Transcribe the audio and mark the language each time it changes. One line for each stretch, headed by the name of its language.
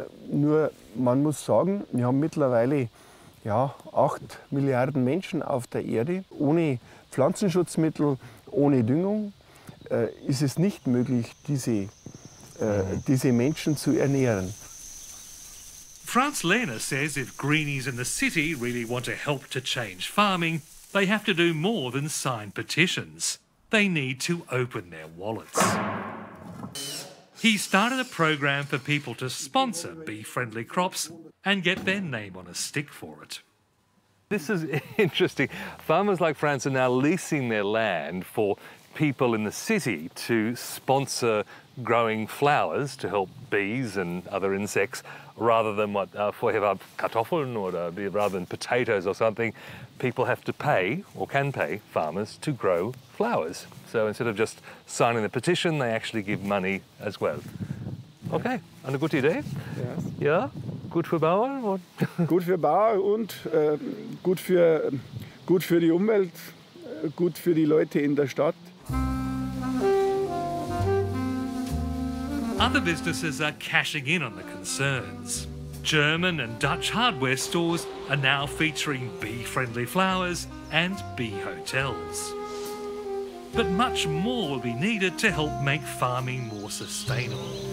German: Nur man muss sagen, wir haben mittlerweile 8 Milliarden Menschen auf der Erde. Ohne Pflanzenschutzmittel, ohne Düngung ist es nicht möglich, diese Menschen zu ernähren.
English: Franz Lehner says if greenies in the city really want to help to change farming, they have to do more than sign petitions. They need to open their wallets. He started a program for people to sponsor bee-friendly crops and get their name on a stick for it. This is interesting. Farmers like Franz are now leasing their land for people in the city to sponsor growing flowers to help bees and other insects, rather than what
German: vorher Kartoffeln oder
English: rather than potatoes or something. People have to pay, or can pay, farmers to grow flowers. So instead of just signing the petition, they actually give money as well.
German: Okay, eine gute Idee?
English: Yes.
German: Ja, gut für Bauern? Gut für Bauern und gut für die Umwelt, gut für die Leute in der Stadt.
English: Other businesses are cashing in on the concerns. German and Dutch hardware stores are now featuring bee-friendly flowers and bee hotels. But much more will be needed to help make farming more sustainable.